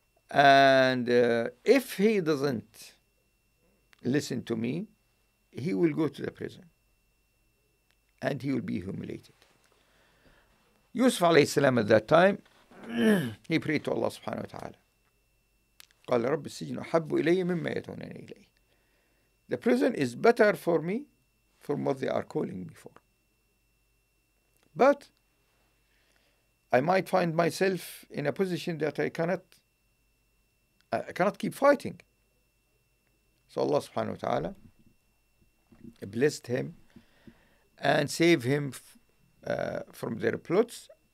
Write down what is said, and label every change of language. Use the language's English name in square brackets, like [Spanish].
[English] And if he doesn't listen to me, he will go to the prison. And he will be humiliated." Yusuf alayhi salam at that time, he prayed to Allah subhanahu wa ta'ala. [Arabic] قال رب السجن أحب إلي مما يدعونني إليه. [English] The prison is better for me from what they are calling me for. But I might find myself in a position that I cannot keep fighting. So Allah subhanahu wa ta'ala blessed him and saved him from their plots.